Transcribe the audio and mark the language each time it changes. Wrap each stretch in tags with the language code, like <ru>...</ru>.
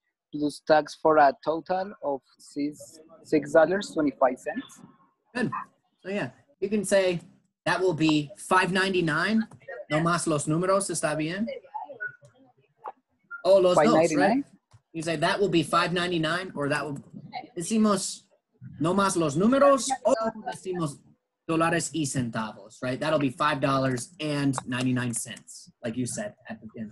<en>Plus tax for a total of $6.25. Good. So yeah, you can say that will be $5.99.</en> <es>No más los números, está bien. Oh, los dos, right?</es> <en>You say that will be $5.99, or that will.</en> <es>Decimos no más los números, o decimos dólares y centavos, right?</es> <en>That'll be $5.99, like you said at the end.</en>